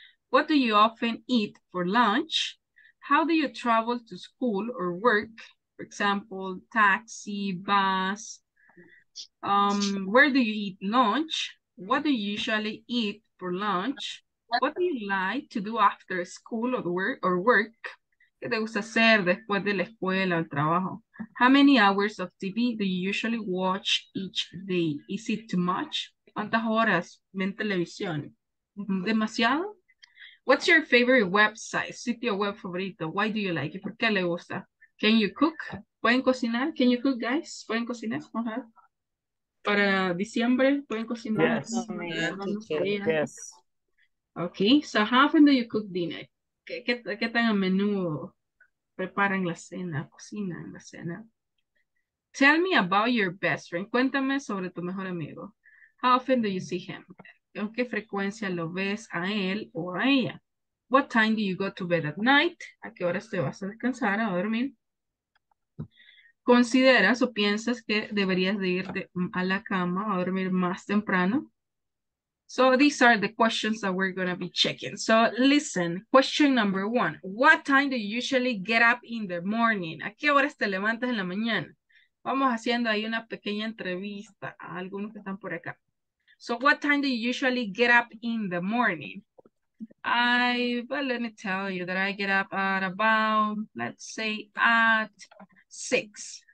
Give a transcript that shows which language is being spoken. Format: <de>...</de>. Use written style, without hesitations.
<en>What do you often eat for lunch? How do you travel to school or work? For example, taxi, bus. Where do you eat lunch? What do you usually eat for lunch? What do you like to do after school or work?</en> <es>¿Qué te gusta hacer después de la escuela o el trabajo?</es> <en>How many hours of TV do you usually watch each day? Is it too much?</en> <es>¿Cuántas horas ven televisión? ¿Demasiado?</es> <en>What's your favorite website,</en> <es>sitio web favorito?</es> <en>Why do you like it?</en> <es>¿Por qué le gusta?</es> <en>Can you cook?</en> <es>¿Pueden cocinar?</es> <en>Can you cook, guys?</en> <es>¿Pueden cocinar?</es> <en>Uh-huh.</en> <es>¿Para diciembre pueden cocinar?</es> <en>Yes. Yes. Okay, so how often do you cook dinner?</en> <es>¿Qué tan a menudo preparan la cena, cocinan la cena?</es> <en>Tell me about your best friend.</en> <es>Cuéntame sobre tu mejor amigo.</es> <en>How often do you see him?</en> <es>¿Con qué frecuencia lo ves a él o a ella?</es> <en>What time do you go to bed at night?</en> <es>¿A qué horas te vas a descansar, a dormir? ¿Consideras o piensas que deberías de irte a la cama a dormir más temprano?</es> <en>So these are the questions that we're going to be checking. So listen, question number one. What time do you usually get up in the morning?</en> <es>¿A qué horas te levantas en la mañana? Vamos haciendo ahí una pequeña entrevista a algunos que están por acá.</es> <en>So what time do you usually get up in the morning? Let me tell you that I get up at about, let's say, at 6.</en>